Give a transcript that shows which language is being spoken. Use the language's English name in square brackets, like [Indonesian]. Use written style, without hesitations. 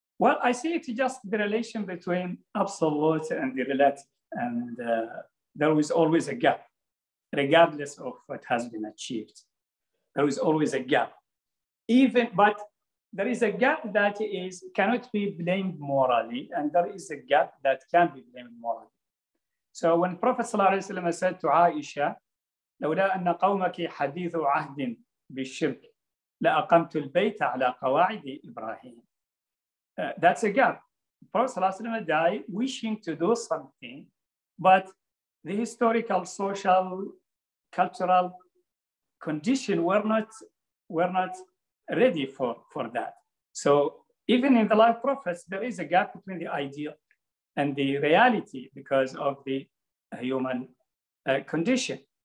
[English] Well, I see it's just the relation between absolute and the relative, and there was always a gap, regardless of what has been achieved. There was always a gap, but there is a gap that is cannot be blamed morally, and there is a gap that can be blamed morally. So when Prophet Sallallahu Alaihi Wasallam said to Aisha, [Arabic] لولا أن قومك حديث عهد بالشرك لأقمت البيت على قواعد إبراهيم. [English] That's a gap. Prophet Sallallahu Alaihi Wasallam died wishing to do something, but the historical, social, cultural condition were not ready for that. So even in the life of prophets, there is a gap between the ideal and the reality because of the human condition.